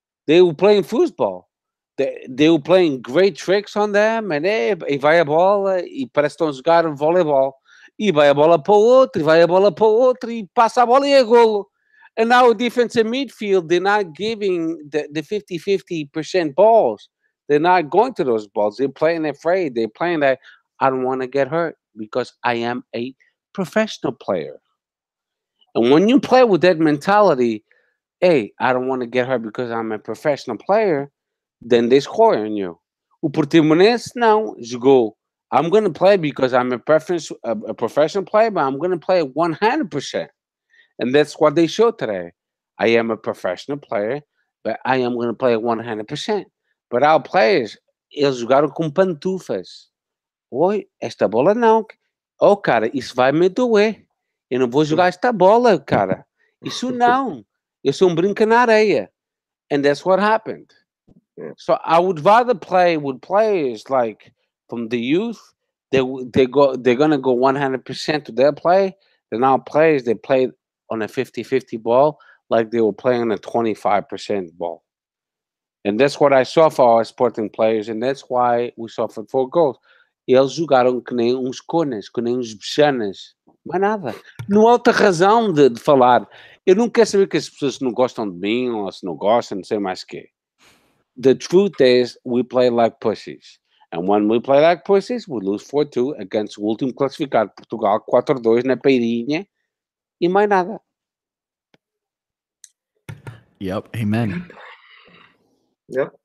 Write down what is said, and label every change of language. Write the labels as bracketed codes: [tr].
[en] They were playing football. They were playing great tricks on them. [pt] And hey, vai a bola e parece que estão a jogar voleibol. E vai a bola para o outro, e passa a bola e é golo. [en] And our defensive midfield, they're not giving the 50-50% balls. They're not going to those balls. They're playing afraid. They're playing that I don't want to get hurt because I am a professional player. And when you play with that mentality, hey, I don't want to get hurt because I'm a professional player, then they score on you. Oportunidades now, you go, I'm going to play because I'm a professional player, but I'm going to play 100%. And that's what they show today. I am a professional player, but I am going to play 100%. But our players, [pt] eles jogaram com pantufas. Oi, esta bola não. Oh, cara, isso vai me doer. Eu não vou jogar esta bola, cara. Isso não. Eu sou um brinca na areia. [en] And that's what happened. So I would rather play with players like from the youth. They're going to go 100% to their play. Then our players, they play on a 50-50 ball like they were playing on a 25% ball. And that's what I saw for our sporting players, and that's why we suffered 4 goals. [pt] Eles jogaram que nem uns conas, que nem uns bichanas. Mais nada. Não há outra razão de falar. Eu não quero saber que as pessoas não gostam de mim, ou se não gostam, não sei mais o quê. [en] The truth is, we play like pussies. And when we play like pussies, we lose 4-2 against [pt] o último classificado, Portugal, 4-2 na Peirinha, e mais nada. [en] Yep, amen. Yep.